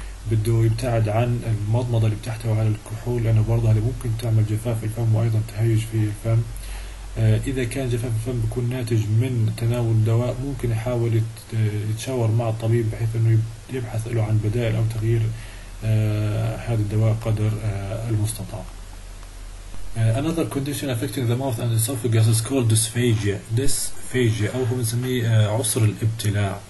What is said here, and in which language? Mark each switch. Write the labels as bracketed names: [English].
[Arabic] بده يبتعد عن المضمضة اللي بتحتوي على الكحول، لأنه برضه هذه ممكن تعمل جفاف الفم وأيضا تهيج في الفم. إذا كان جفاف الفم بيكون ناتج من تناول دواء، ممكن يحاول يتشاور مع الطبيب بحيث أنه يبحث له عن بدائل أو تغيير هذا الدواء قدر المستطاع. [English] Another condition affecting the mouth and esophagus is called dysphagia. [Arabic] Dysphagia أو هو بنسميه عسر الابتلاع.